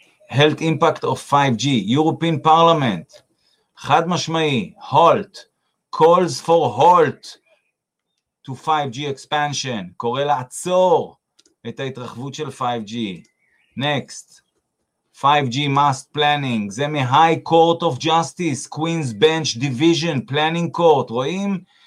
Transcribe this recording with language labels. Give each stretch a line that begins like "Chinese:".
English: Health impact of 5G, European Parliament.
Hebrew: חד משמעי,
English: halt. Calls for halt to 5G expansion,
Hebrew: קורא לעצור את ההתרחבות של 5G.
English: Next, 5G must planning,
Hebrew: זה מ-
English: High Court of Justice, Queen's Bench Division, Planning Court,
Hebrew: רואים?